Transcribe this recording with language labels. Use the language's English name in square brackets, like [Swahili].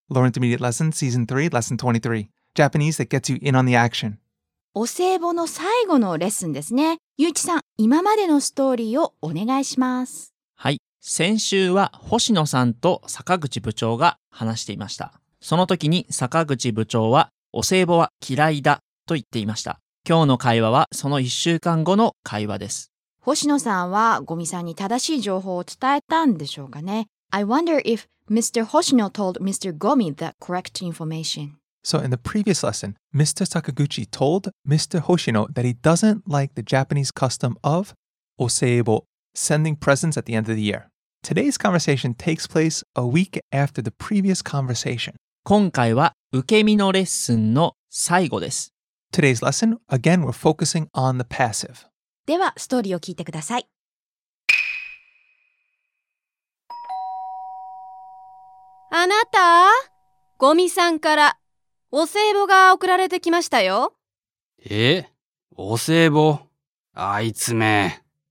[English] Learn Intermediate Lesson Season 3 Lesson 23 Japanese that gets you in on the action [Japanese] お歳暮の最後のレッスンですね。ゆういちさん、今までのストーリーをお願いします。はい。先週は星野さんと坂口部長が話していました。その時に坂口部長は、お歳暮は嫌いだと言っていました。今日の会話はその1週間後の会話です。星野さんはゴミさんに正しい情報を伝えたんでしょうかね。 [English] I wonder if Mr. 星野 told Mr. Gomi the correct information. So in the previous lesson, Mr. Sakaguchi told Mr. Hoshino that he doesn't like the Japanese custom of osaibo, sending presents at the end of the year. Today's conversation takes place a week after the previous conversation. [Japanese] 今回は受け身のレッスンの最後です。 [English] Today's lesson, again, we're focusing on the passive. [Japanese] ではストーリーを聞いてください。あなた、ゴミさんからお歳暮が送られてきましたよ。え？お歳暮？あいつめ。